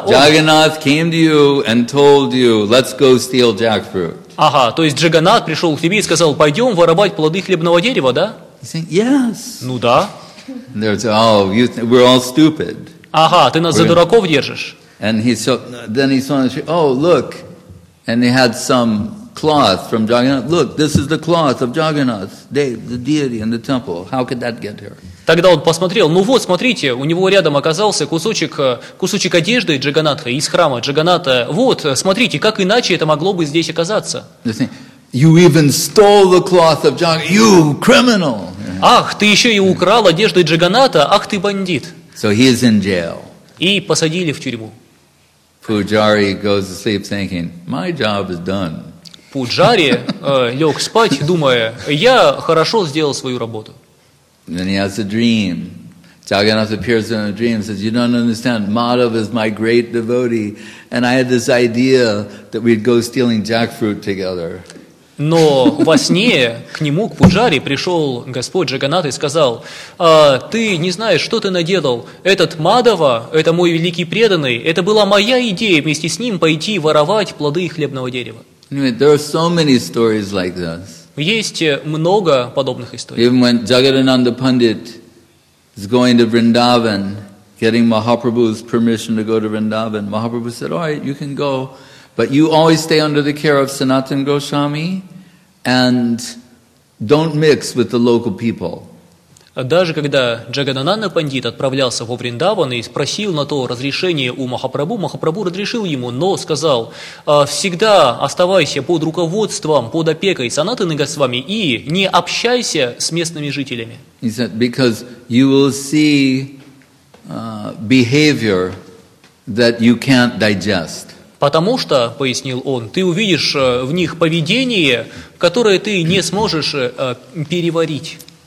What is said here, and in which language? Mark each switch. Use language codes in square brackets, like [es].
[en] Jagannath came to you and told you, let's go steal jackfruit. [ru] Ага, то есть Джаганнат пришел к тебе и сказал, пойдем воровать плоды хлебного дерева, да? [en] He's saying, yes. [ru] Ну да. [en] And they're saying, oh, you we're all stupid. [ru] Ага, ты нас за дураков держишь. [en] And he saw, then he saw, oh, look, and he had some cloth from Jagannath. Look, this is the cloth of Jagannath, the deity in the temple. How could that get here? [ru] Тогда он посмотрел, ну вот, смотрите, у него рядом оказался кусочек одежды Джаганнатха из храма Джаганната. Вот, смотрите, как иначе это могло бы здесь оказаться? [en] You even stole the cloth of Jagannath. You criminal! [ru] Ах, ты еще и украл одежды Джаганната. Ах, ты бандит! [en] So he is in jail. [ru] И посадили в тюрьму. [en] Pujari goes to sleep thinking, my job is done. [ru] Пуджари лег спать, думая, я хорошо сделал свою работу. [en] Then he has a dream. Jagannath appears in a dream and says, you don't understand, Madhav is my great devotee and I had this idea that we'd go stealing jackfruit together. [ru] Но во сне к нему, к Пуджари, пришел Господь Джаганнат и сказал, ты не знаешь, что ты наделал. Этот Мадхава, это мой великий преданный, это была моя идея вместе с ним пойти воровать плоды хлебного дерева. [en] Anyway, there are so many stories like this. [ru] Есть много подобных историй. [en] Even when Jagadananda Pandit is going to Vrindavan, getting Mahaprabhu's permission to go to Vrindavan, Mahaprabhu said, all right, you can go. But you always stay under the care of Sanatana Goswami and don't mix with the local people. [ru] Даже когда Джагананана Пандит отправлялся во Вриндаван и спросил на то разрешение у Махапрабху, Махапрабху разрешил ему, но сказал: «Всегда оставайся под руководством, под опекой Санатаны Госвами и не общайся с местными жителями». [en] He said, because you will see behavior that you can't digest. [ru] Потому что, пояснил он, ты увидишь в них поведение, которое ты не сможешь переварить.